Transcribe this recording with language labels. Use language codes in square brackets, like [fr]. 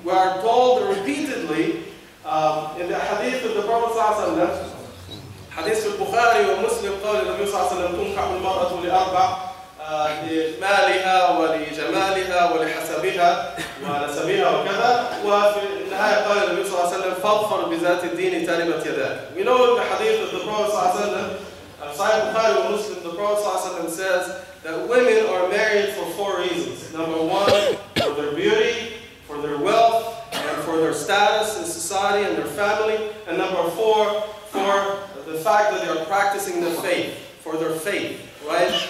[en] We are told repeatedly in the hadith of the Prophet ﷺ, hadith of Bukhari and Muslim, [ar] قال النبي صلى الله عليه وسلم تنكح المرأة لأربع لمالها ولجمالها ولحسبها ونسبها وكذا. وفي النهاية قال النبي صلى الله عليه وسلم فاظفر بذات الدين تلمة يداك. [en] We know in the hadith of the Prophet صلى الله عليه وسلم, Sahih Bukhari and Muslim, the Prophet ﷺ says that women are married for 4 reasons. Number 1, for their beauty, for their wealth, and for their status in society and their family. And number 4, for the fact that they are practicing the faith, for their faith, right?